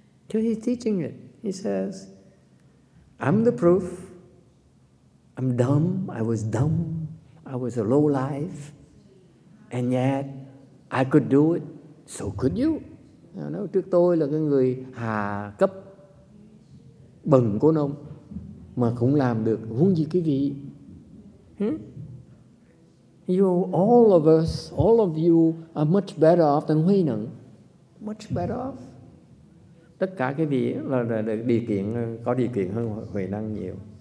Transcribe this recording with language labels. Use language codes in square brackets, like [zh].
[en] So he's teaching it. He says, I'm the proof. I'm dumb. I was dumb. I was a low life. And yet, I could do it. So could you. [vi] Nói trước tôi là cái người hạ cấp bần côn ông mà cũng làm được, huống gì quý vị. [en] You all of us, all of you are much better off than Huy Nhẫn. Much better off. [vi] Tất cả quý vị là điều kiện, có điều kiện hơn Huy Năng nhiều.